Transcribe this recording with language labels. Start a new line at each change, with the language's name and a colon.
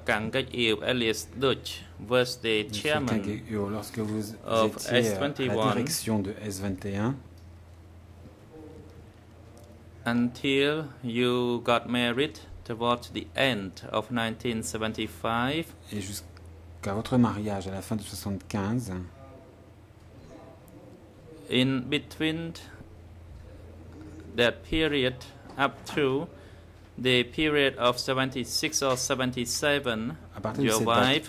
English: Gang Yil, alias Dutch, was the chairman of S21 until you got married towards the end of 1975.
French: Et jusqu'à votre mariage à la fin de 75.
English: In between that period up to the period of 76 or 77, your wife